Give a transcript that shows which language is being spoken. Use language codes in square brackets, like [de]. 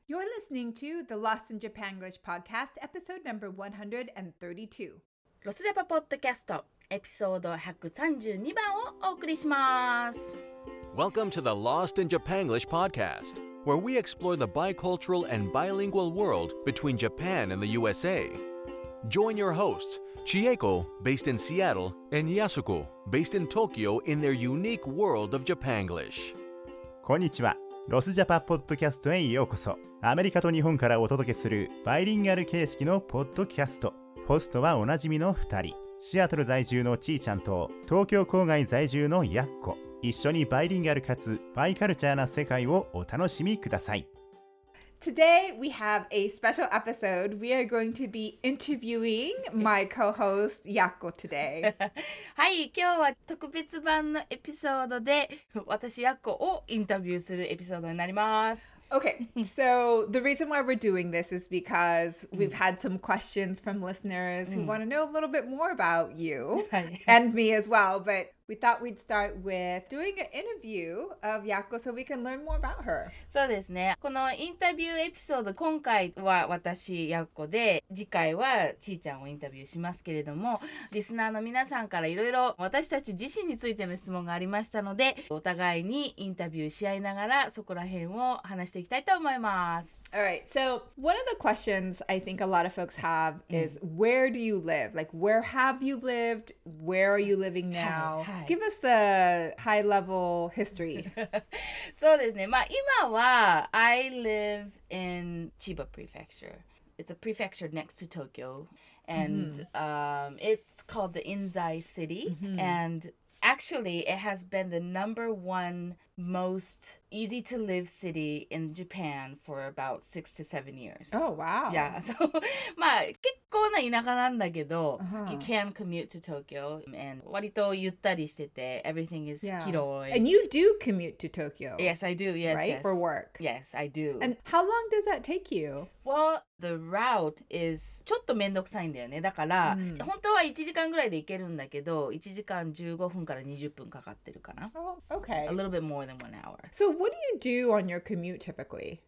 [en] You're listening to the Lost in Japanglish podcast, episode number 132. [ja] ロスジャパポッドキャスト、エピソード132番をお送りします。 [en] Welcome to the Lost in Japanglish podcast, where we explore the bicultural and bilingual world between Japan and the USA. Join your hosts, Chieko, based in Seattle, and Yasuko, based in Tokyo, in their unique world of Japanglish. [ja] こんにちは。ロスジャパポッドキャストへようこそ。アメリカと日本からお届けするバイリンガル形式のポッドキャスト。ホストはおなじみの2人、シアトル在住のちーちゃんと東京郊外在住のやっこ。一緒にバイリンガルかつバイカルチャーな世界をお楽しみください。 [en] Today we have a special episode. We are going to be interviewing my co-host やっこ today. [ja] はい、今日は特別版のエピソードで私やっこをインタビューするエピソードになります。 [en] Okay, so the reason why we're doing this is because we've had some questions from listeners who want to know a little bit more about you and me as well. But we thought we'd start with doing an interview of Yakko so we can learn more about her. [ja] そうですね。このインタビューエピソード、今回は私、Yakko で、次回はちーちゃんをインタビューしますけれども、リスナーの皆さんからいろいろ私たち自身についての質問がありましたので、お互いにインタビューし合いながらそこら辺を話していきたいと思います。 [en] All right, so one of the questions I think a lot of folks have is where do you live? Like, where have you lived? Where are you living now? Hi. Give us the high level history. [ja] そうですね。まあ今は [en] I live in Chiba Prefecture. It's a prefecture next to Tokyo. And it's called the Inzai City. And actually, it has been the number one most easy to live city in Japan for about 6 to 7 years. Oh, wow. Yeah. So, [ja] まあ、結構な田舎なんだけど、 [en] you can commute to Tokyo and [ja] 割とゆったりしてて、 [en] everything is kiroi. And you do commute to Tokyo. Yes, I do. Yes, right? Yes. For work. Yes, I do. And how long does that take you? Well, the route is [ja] ちょっとめんどくさいんだよね。だから、本当は1時間ぐらいで行けるんだけど、1時間15分から20分かかってるかな。 [en] Oh, okay. A little bit more than 1 hour. So what do you do on your commute typically?